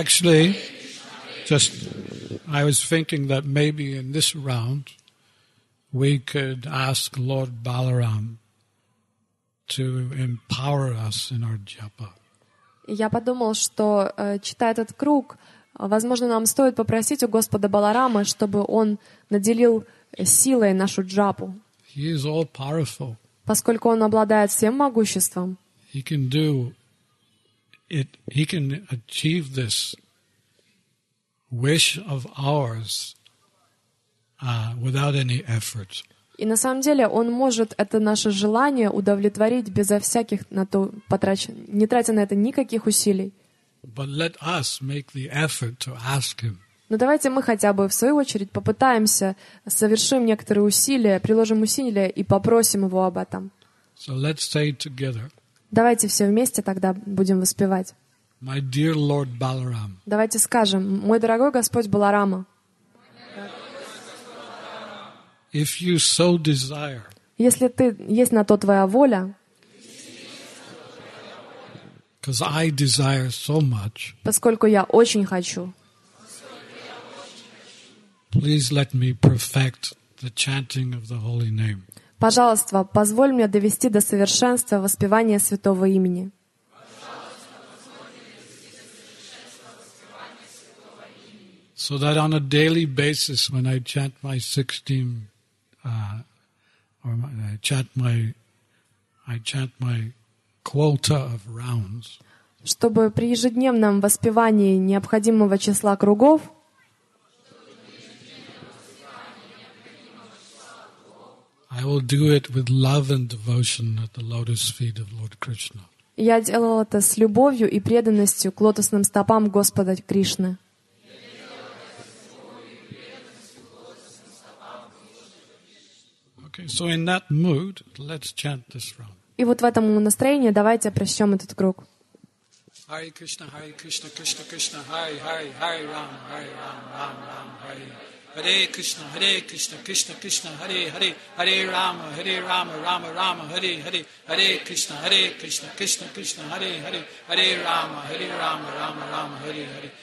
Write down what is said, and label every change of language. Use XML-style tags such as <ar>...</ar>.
<en>Actually, just I was thinking that maybe in this round we could ask Lord Balaram to empower us in our japa.</en> <ru>Я подумал, что читая этот круг, возможно, нам стоит попросить у Господа Баларамы, чтобы он наделил силой нашу джапу.</ru> <en>He is all powerful.</en> <ru>Поскольку он обладает всем могуществом.</ru> <en>He can do it. He can achieve this wish of ours without any effort.</en> <ru>И на самом деле он может это наше желание удовлетворить безо всяких на то потраченных, не тратя на это никаких усилий.</ru> <en>But let us make the effort to ask him.</en> <ru>Но давайте мы хотя бы в свою очередь попытаемся, совершим некоторые усилия, приложим усилия и попросим его об этом.</ru> <en>So let's say it together.</en> <ru>Давайте все вместе тогда будем воспевать.</ru> <en>My dear Lord Balaram.</en> <ru>Давайте скажем, мой дорогой Господь Баларама.</ru> <en>If you so desire,</en> <ru>если ты есть на то твоя воля,</ru> <en>because I desire so much,</en> <ru>поскольку я очень хочу,</ru> <en>please let me perfect the chanting of the holy name.</en> <ru>Пожалуйста, позволь мне довести до совершенства воспевание святого имени.</ru> <en>So that on a daily basis, when I chant my 16 I chant my quota of rounds.</en> <ru>Чтобы при ежедневном воспевании необходимого числа кругов,</ru> <en>I will do it with love and devotion at the lotus feet of Lord Krishna.</en> <ru>Я делал это с любовью и преданностью к лотосным стопам Господа Кришны.</ru> <en>Okay, so in that mood, let's chant this round.</en> <ru>И вот в этом настроении давайте прочтем этот круг.</ru> <sa>Hare Krishna, Hare Krishna, Krishna Krishna, Hare Hare, Hare Rama, Hare Rama, Rama Rama, Hare. Hare Krishna, Hare Krishna, Krishna Krishna, Hare Hare, Hare Rama, Rama Rama, Hare Hare. Hare Krishna, Hare Krishna, Krishna Krishna, Hare Hare, Hare Rama, Rama Rama, Hare Hare.</sa>